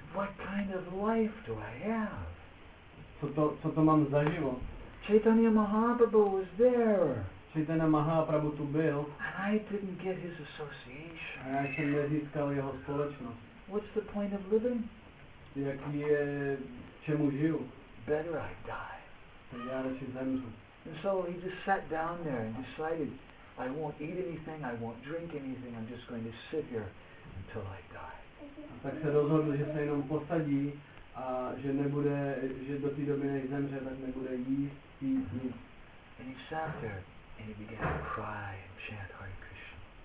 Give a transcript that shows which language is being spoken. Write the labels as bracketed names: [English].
[English] What kind of life do I have? [Czech] Co to mám za život? [English] Chaitanya Mahaprabhu was there. [Czech] Chaitanya Mahaprabhu tu byl. [English] And I didn't get his association. [Czech] A já jsem nezískal jeho společnost. [English] What's the point of living? [Czech] Jaký je, čemu žiju? [English] Better I die. And so he just sat down there and decided, I won't eat anything, I won't drink anything, I'm just going to sit here until I die. [Czech] A tak se rozhodl, že se jenom posadí a že nebude, že do té doby než zemře, tak nebude jíst, pít nic. [English] And he sat there and he began to cry and chant Hare Krishna.